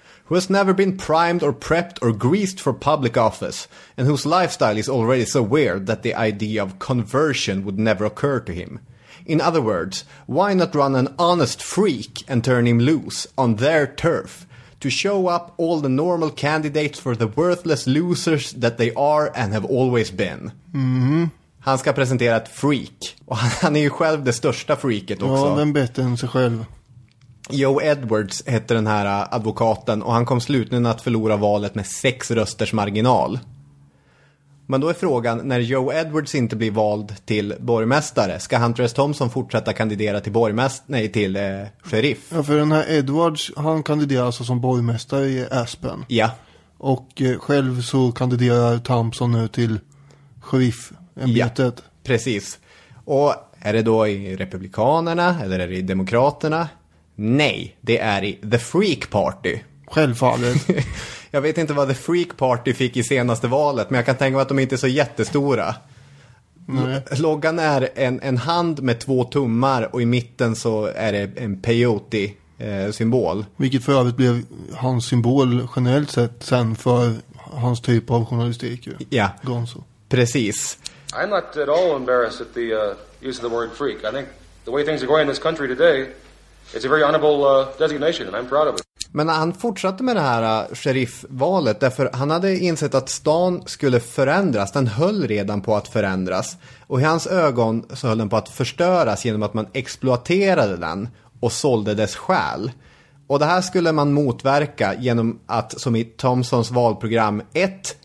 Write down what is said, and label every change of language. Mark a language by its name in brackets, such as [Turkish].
[English] who has never been primed or prepped or greased for public office, and whose lifestyle is already so weird that the idea of conversion would never occur to him. In other words, why not run an honest freak and turn him loose on their turf to show up all the normal candidates for the worthless losers that they are and have always been? Mm-hmm. [Swedish] Han ska presentera ett freak. Och han är ju själv det största freaket också. Ja, vem bättre än sig själv? Joe Edwards heter den här advokaten och han kom slutligen att förlora valet med 6 rösters marginal. Men då är frågan, när Joe Edwards inte blir vald till borgmästare, ska Hunter S. Thompson fortsätta kandidera till sheriff? Ja, för den här Edwards, han kandiderar alltså som borgmästare i Aspen. Ja. Och själv så kandiderar Thompson nu till sheriffämbetet. Ja, precis. Och är det då i Republikanerna eller är det i Demokraterna? Nej, det är i The Freak Party. Självfallet. Jag vet inte vad The Freak Party fick i senaste valet, men jag kan tänka mig att de inte är så jättestora. Nej. Loggan är en hand med 2 tummar och i mitten så är det en peyote-symbol. Vilket för övrigt blev hans symbol generellt sett sen för hans typ av journalistik. Ju. Ja, Gonzo. Precis. [English] I'm not at all embarrassed at the use of the word freak. I think the way things are going in this country today, it's a very honorable designation and I'm proud of it. [Swedish] Men han fortsatte med det här sheriffvalet därför han hade insett att stan skulle förändras. Den höll redan på att förändras. Och i hans ögon så höll den på att förstöras genom att man exploaterade den och sålde dess själ. Och det här skulle man motverka genom att, som i Thompsons valprogram, 1.